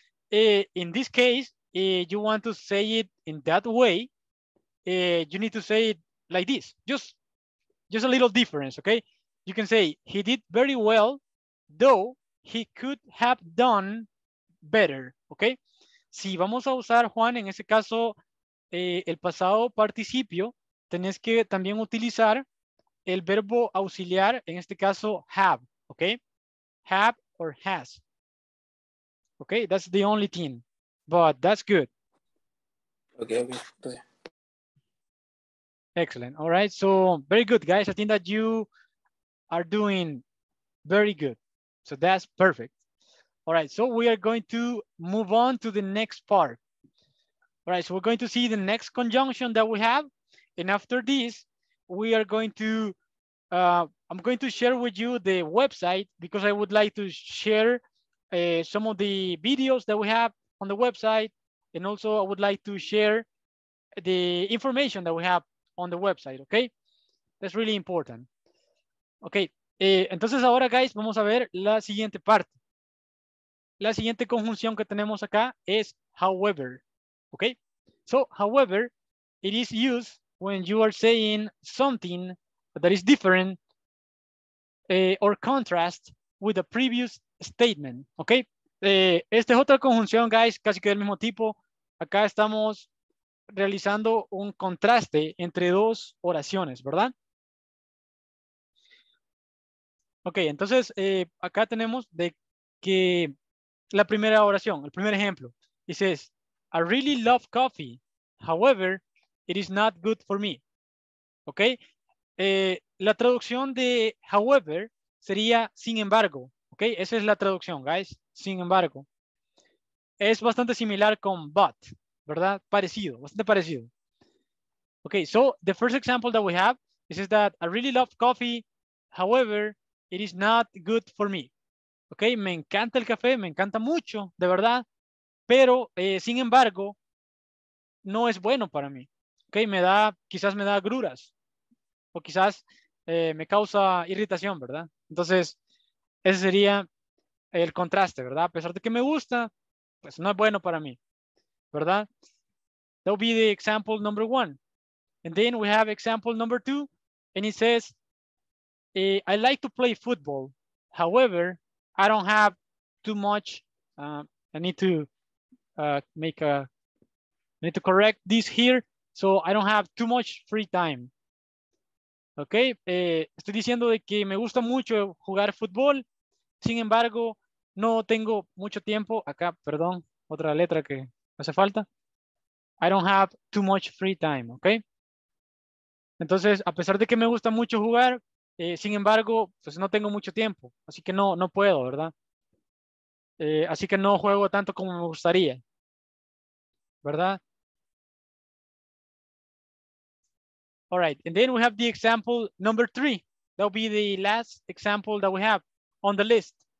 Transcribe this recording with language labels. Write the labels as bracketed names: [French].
[English] In this case, you want to say it in that way. You need to say it like this. Just a little difference, okay? You can say, he did very well, though he could have done better, okay? [Spanish] Si vamos a usar, Juan, en ese caso, el pasado participio, tenés que también utilizar el verbo auxiliar, en este caso, have, okay? [English] Have or has. Okay, that's the only thing, but that's good. Okay. Excellent. All right. So very good, guys. I think that you are doing very good. So that's perfect. All right. So we are going to move on to the next part. All right. So we're going to see the next conjunction that we have. And after this, we are going to, I'm going to share with you the website, because I would like to share some of the videos that we have on the website. And also I would like to share the information that we have on the website, okay? That's really important. [Spanish] Okay, entonces ahora, guys, vamos a ver la siguiente parte. La siguiente conjunción que tenemos acá es however, okay? [English] So however, it is used when you are saying something that is different or contrast with a previous statement, okay? [Spanish] Esta es otra conjunción, guys, casi que del mismo tipo. Acá estamos realizando un contraste entre dos oraciones, ¿verdad? Ok, entonces acá tenemos de que la primera oración, el primer ejemplo. [English] It says, I really love coffee. However, it is not good for me. [Spanish] Ok, la traducción de however sería sin embargo. Ok, esa es la traducción, guys, sin embargo. Es bastante similar con but, ¿verdad? Parecido, bastante parecido. [English] Okay, so the first example that we have is that I really love coffee. However, it is not good for me. [Spanish] Okay, me encanta el café, me encanta mucho, de verdad. Pero, sin embargo, no es bueno para mí. Okay, me da, quizás me da agruras. O quizás me causa irritación, ¿verdad? Entonces, ese sería el contraste, ¿verdad? A pesar de que me gusta, pues no es bueno para mí, ¿verdad? [English] That would be the example number one. And then we have example number two, and it says, I like to play football. However, I don't have too much. I need to correct this here. So I don't have too much free time. [Spanish] Okay, estoy diciendo de que me gusta mucho jugar fútbol. Sin embargo, no tengo mucho tiempo. Acá, perdón, otra letra que hace falta. [English] I don't have too much free time, okay? [Spanish] Entonces, a pesar de que me gusta mucho jugar, sin embargo, pues no tengo mucho tiempo. Así que no puedo, ¿verdad? Así que no juego tanto como me gustaría, ¿verdad? [English] All right, and then we have the example number three. That'll be the last example that we have on the list.